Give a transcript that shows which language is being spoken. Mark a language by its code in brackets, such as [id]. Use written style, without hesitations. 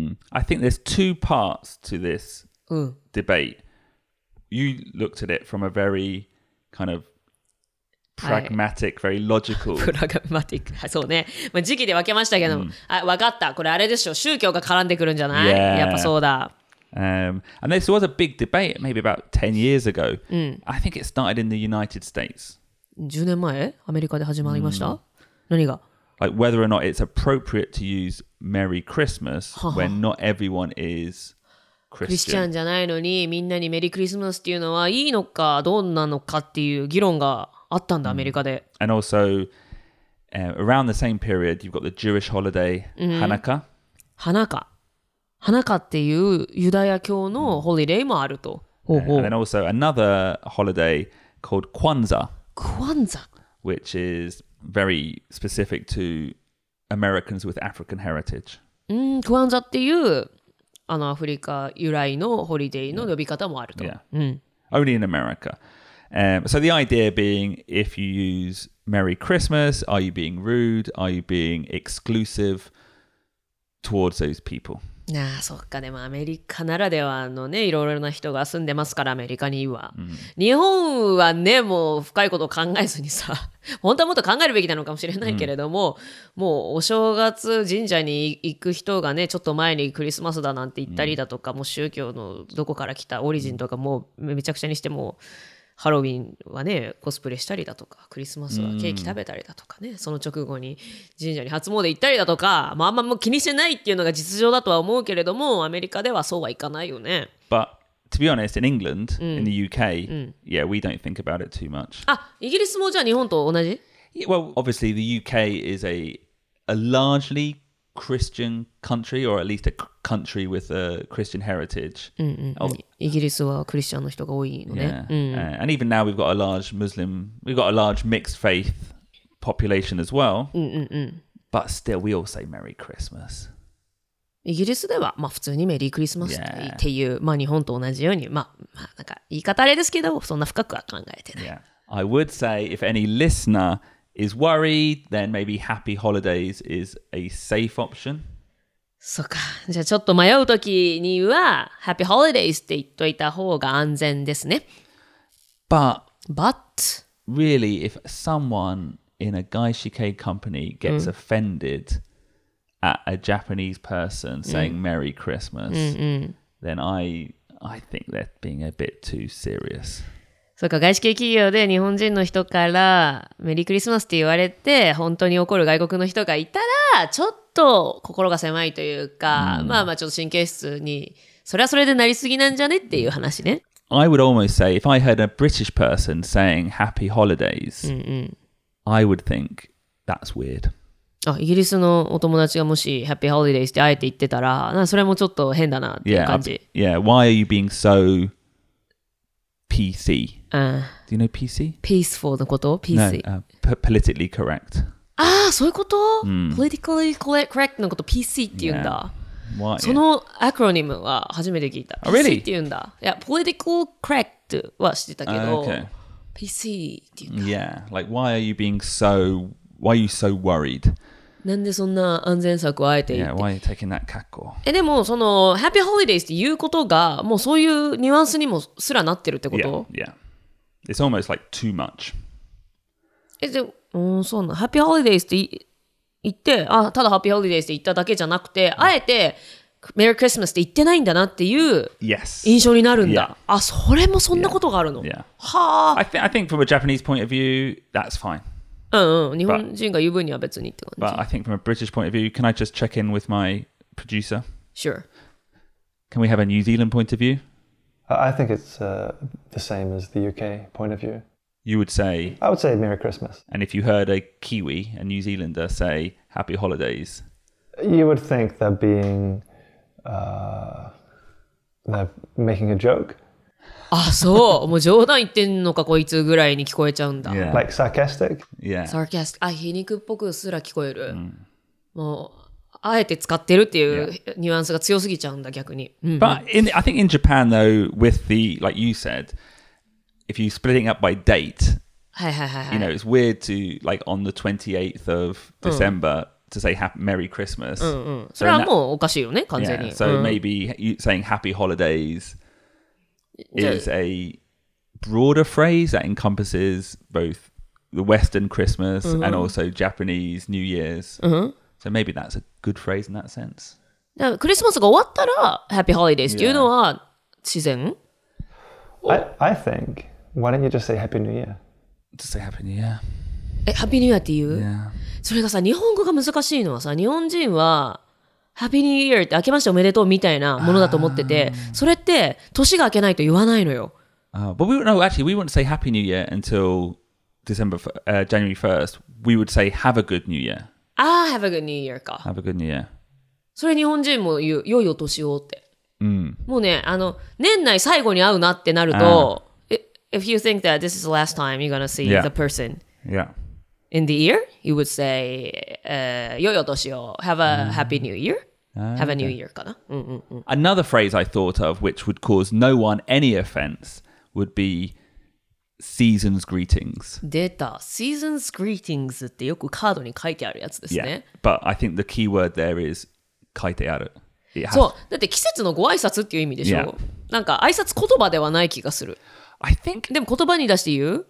[en] I think there's two parts to this debate. You looked at it from a very kind of pragmatic,、 [ja] はい、 [en] very logical. [ja] Pragmatic, そうね。まあ時期で分けましたけど、あ、分かった。これあれでしょ。宗教が絡んでくるんじゃない、 [en] yeah. [ja] やっぱそうだ。 [en] And this was a big debate maybe about 10 years ago.、I think it started in the United States. [ja] 10年前アメリカで始まりました、何が [en] Like whether or not it's appropriate to use Merry Christmas when not everyone is... [ja] クリスチャンじゃないのにみんなにメリークリスマスっていうのはいいのかどうなのかっていう議論があったんだ、アメリカで。 [en] And also, around the same period, you've got the Jewish holiday, Hanukkah. [ja] Hanukkah. Hanukkah っていうユダヤ教のホリデーもあると。 [en] And then also another holiday called Kwanzaa. Kwanzaa. Which is very specific to Americans with African heritage. [ja] Kwanzaa っていう、あのアフリカ由来のホリデーの呼び方もあると。 [en] Yeah. Only in America. So the idea being, if you use Merry Christmas, are you being rude? Are you being exclusive towards those people? [ja] ああそっかでもアメリカならではのねいろいろな人が住んでますからアメリカには、日本はねもう深いことを考えずにさ本当はもっと考えるべきなのかもしれないけれども、もうお正月神社に行く人がねちょっと前にクリスマスだなんて言ったりだとか、もう宗教のどこから来たオリジンとかもうめちゃくちゃにしてもハロウィンはねコスプレしたりだとかクリスマスはケーキ食べたりだとかね、その直後に神社に初詣行ったりだとか、まあ、あんまもう気にしてないっていうのが実情だとは思うけれどもアメリカではそうはいかないよね。 [en] But to be honest, in England, in the UK, yeah, we don't think about it too much. [ja] あ、イギリスもじゃあ日本と同じ？ [en] Yeah, well, obviously the UK is a largely Christian country or at least a country with a Christian heritage. [ja] イギリスはクリスチャンの人が多いのね。 [en] And even now we've got a large Muslim, we've got a large mixed faith population as well. But still we all say Merry Christmas. [ja] イギリスではまあ普通にメリークリスマスっていう、まあ日本と同じようにまあまあなんか言い方あれですけどそんな深くは考えてない。 [en] I would say if any listenerIs worried, then maybe happy holidays is a safe option. [ja] そうか。じゃあちょっと迷うときには [en] happy holidays [ja] って言っといた方が安全ですね。 [en] But really, if someone in a gaishike company gets offended at a Japanese person saying Merry Christmas, then I think they're being a bit too serious. [ja] そうか、外資系企業で日本人の人からメリークリスマスって言われて本当に怒る外国の人がいたらちょっと心が狭いというか、まあまあちょっと神経質にそれはそれでなりすぎなんじゃねっていう話ね。 [en] I would almost say if I heard a British person saying happy holidays, I would think that's weird. [ja] あ、イギリスのお友達がもし [en] happy holidays [ja] ってあえて言ってたらなんかそれもちょっと変だなっていう感じ。 [en] Yeah, why are you being soPC. Do you know PC? [ja] Peaceful のこと? [en] PC. No, politically correct. [ja] ああ、そういうこと? [en] Politically correct [ja] のこと PC って言うんだ。 [en] Why? [ja] そのアクロニムは初めて聞いた。 [en] Oh, really? [ja] PC って言うんだ。 Yeah, [en] political correct [ja] は知ってたけど、PC って言うんだ。 [en] Yeah, like why are you being so, why are you so worried? [ja] なんでそんな安全策をあえて言って、 [en] yeah, why are you taking that 格好。 [ja] え、でもそのハッピーホリデーズっていうことがもうそういうニュアンスにもすらなってるってこと。 [en] Yeah. It's almost like too much. [ja] え、でも、そうなの。ハッピーホリデーズって言って、あ、ただハッピーホリデーズって言っただけじゃなくて、あえてメリークリスマスって言ってないんだなっていう印象になるんだ。 [en] Yes. [ja] あ、それもそんなことがあるの。 [en] Yeah. はあ。 I think from a Japanese point of view, that's fine. [ja] 日本人が言う分には別にって感じ。 [en] But I think from a British point of view, can I just check in with my producer? Sure. Can we have a New Zealand point of view? I think it's the same as the UK point of view. You would say? I would say Merry Christmas. And if you heard a Kiwi, a New Zealander, say Happy Holidays? You would think they're being, they're making a joke. [ja] あ、そう。もう冗談言ってんのか、こいつぐらいに聞こえちゃうんだ。 [en] Yeah. Like sarcastic? Yeah. [ja] Sarcastic. あ、皮肉っぽくすら聞こえる。もう、あえて使ってるっていうニュアンスが強すぎちゃうんだ、逆に。 [en] But I think in Japan, though, with the, like you said, if you're splitting up by date, you know, it's weird to, like, on the 28th of December,to say Merry Christmas. [ja] それはもうおかしいよね、完全に。 [en] Yeah. So maybe saying Happy Holidays... is a broader phrase that encompasses both the Western Christmas and also Japanese New Year's. So maybe that's a good phrase in that sense. [ja] じゃあクリスマスが終わったら [en] Happy Holidays [ja] っていうのは自然? [en] I think, why don't you just say Happy New Year? Just say Happy New Year. [ja] え、 [en] Happy New Year [ja] っていう? [en] Yeah. [ja] それがさ、日本語が難しいのはさ、日本人は [en] Happy New Year [ja] って明けましておめでとうみたいなものだと思ってて、それって年が明けないと言わないのよ。 [en] But we wouldn't, no, actually, we wouldn't say Happy New Year until December, January 1st. We would say Have a Good New Year. Ah, Have a Good New Year か。 Have a Good New Year. [ja] それ日本人も言う、良いお年をって。もうね、あの、年内最後に会うなってなると、 [en] if you think that this is the last time you're gonna see yeah. the person yeah. in the year, you would say, [ja] よいお年を、 [en] have a happy new year. Have a new year かな。 Another phrase I thought of, which would cause no one any offense, would be season's greetings. [ja] 出た。 [en] Season's greetings [ja] ってよくカードに書いてあるやつですね。 [en] Yeah. But I think the key word there is [ja] 書いてある。そう、だって季節のご挨拶っていう意味でしょ、 [en] yeah. [ja] なんか挨拶言葉ではない気がする。 [en] I think, [ja] でも言葉に出して言う